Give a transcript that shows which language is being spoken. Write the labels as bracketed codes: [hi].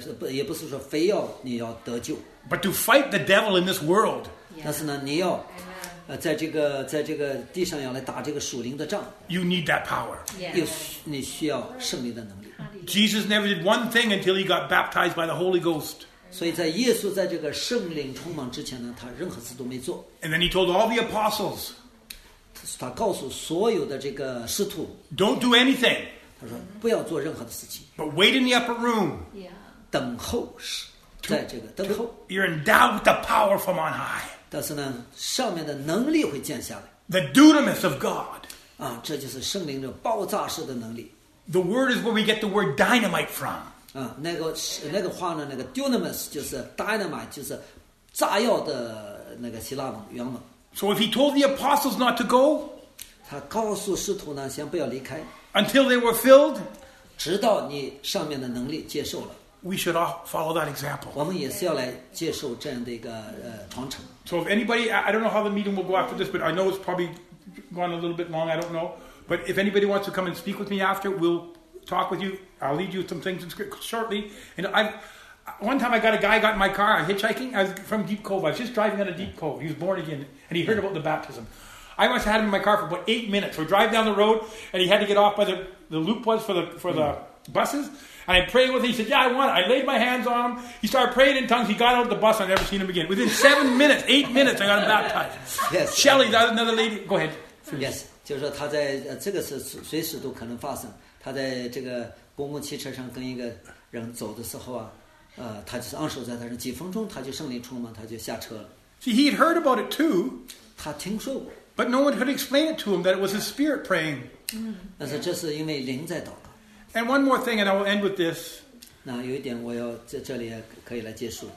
[zh] 也不是说非要你要得救。 [en] But to fight the devil in this world. [zh] 但是呢，你要。在这个地上要来打这个属灵的仗 [en] You need that power、 yeah. [zh] 你需要圣灵的能力 [en] Jesus never did one thing until he got baptized by the Holy Ghost [zh] 所以在耶稣在这个圣灵充满之前呢他任何事都没做 [en] And then he told all the apostles [zh] 他告诉所有的这个使徒 [en] Don't do anything [zh] 他说不要做任何的事情 [en] But wait in the upper room、 yeah. [zh] 等候是在这个等候 [en] You're endowed with the power from on high [zh] 但是呢，上面的能力会降下来。 [en] The dunamis of God， [zh] 这就是圣灵的爆炸式的能力。 [en] The word is where we get the word dynamite from。 [zh] 那个话呢，那个 dunamis 就是 dynamite， 就是炸药的那个希腊文原文。 [en] So if he told the apostles not to go， [zh] 他告诉使徒呢，先不要离开。 [en] Until they were filled， [zh] 直到你上面的能力接受了。 [en] We should all follow that example. [zh] 我们也是要来接受这样的一个传承。 [en] So if anybody, I don't know how the meeting will go after this, but I know it's probably gone a little bit long. I don't know, but if anybody wants to come and speak with me after, we'll talk with you. I'll lead you some things in script shortly. And one time I got a guy got in my car. I was hitchhiking. I was from Deep Cove. I was just driving out of Deep Cove. He was born again, and he heard about the baptism. I must have had him in my car for about 8 minutes. We're driving down the road, and he had to get off by the loop was for the buses. And I prayed with him. He said, yeah, I want it. I laid my hands on him. He started praying in tongues. He got out of the bus. I've never seen him again. Within 7 minutes, 8 minutes, I got him baptized. Yes. Shelly, that's another lady. Go ahead. Yes. [zh] 就是说他在这个是随时都可能发生。他在这个公共汽车上跟一个人走的时候他就是按手在他上。几分钟他就圣灵充满他就下车了。 [en] See, he'd heard about it too. [zh] 他听说过。 [en] But no one could explain it to him that it was his spirit praying. [zh] 但是这是因为灵在祷告。 [en] And one more thing, and I will end with this. [zh] 那有一点我要在这里可以来结束。